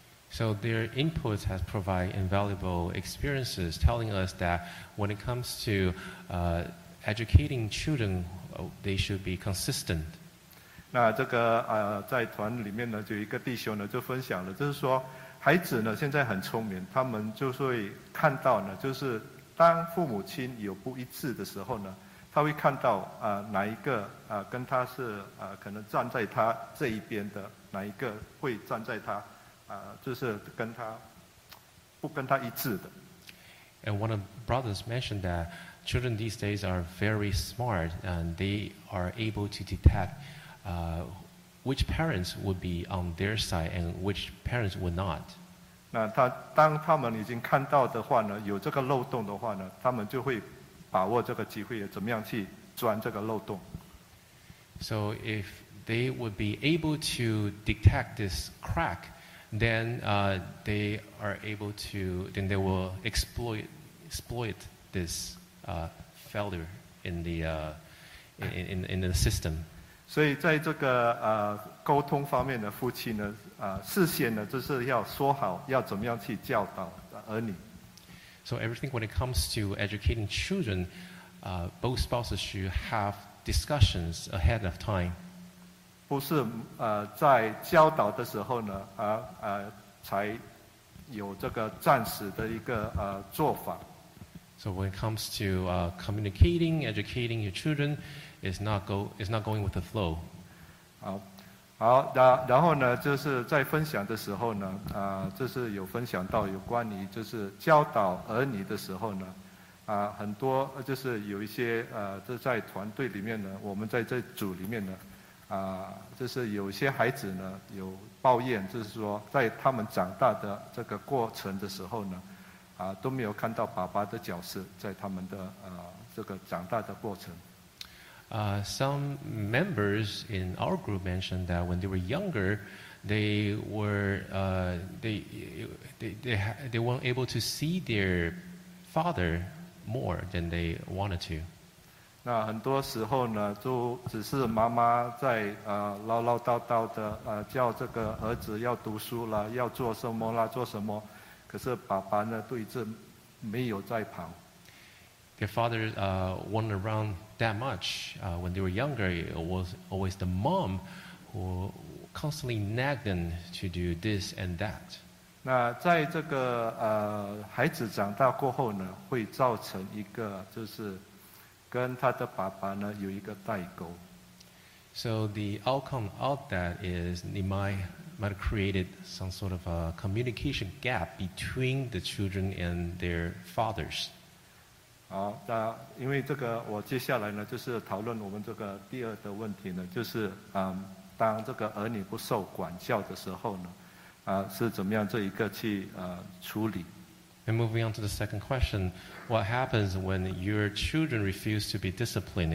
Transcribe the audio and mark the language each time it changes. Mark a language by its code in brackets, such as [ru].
[en] So their inputs have provided invaluable experiences, telling us that when it comes to educating children, they should be consistent. [zh] 那这个在团里面呢，就一个弟兄呢就分享了，就是说孩子呢现在很聪明，他们就会看到呢，就是当父母亲有不一致的时候呢，他会看到哪一个跟他是可能站在他这一边的。哪一个会站在他就是跟他不跟他一致的。 [en] And one of the brothers mentioned that children these days are very smart and they are able to detect which parents would be on their side and which parents would not. [zh] 那他当他们已经看到的话呢，有这个漏洞的话呢，他们就会把握这个机会怎么样去钻这个漏洞。 [en] So ifthey would be able to detect this crack, then they are able to, then they will exploit this failure in the system. [zh] 所以在这个沟通方面的夫妻呢，事先呢就是要说好要怎么样去教导儿女。 [en] So everything when it comes to educating children, both spouses should have discussions ahead of time. [zh] 不是在教导的时候呢才有这个暂时的一个做法。 [en] So when it comes to communicating, educating your children, it's not going with the flow. [zh] 好，然后呢，就是在分享的时候呢，就是有分享到有关于就是教导儿女的时候呢，很多就是有一些就在团队里面呢，我们在这组里面呢。就是有些孩子呢有抱怨，就是说在他们长大的这个过程的时候呢，都没有看到爸爸的角色在他们的这个长大的过程。 [en] Some members in our group mentioned that when they were younger, they weren't able to see their father more than they wanted to. [zh] 那很多时候呢，就只是妈妈在唠唠叨叨的叫这个儿子要读书了，要做什么了，做什么，可是爸爸呢，都一直没有在旁。 [en] Their father weren't around that much when they were younger. It was always the mom who constantly nagged them to do this and that. [zh] 那在这个孩子长大过后呢，会造成一个就是。跟他的爸爸呢有一个代沟。 [en] So the outcome of that is they might have created some sort of a communication gap between the children and their fathers. [zh] 因为这个我接下来呢，就是讨论我们这个第二的问题呢，就是当这个儿女不受管教的时候呢，是怎么样这一个去处理。 [en] And moving on to the second question, what happens when your children refuse to be disciplined?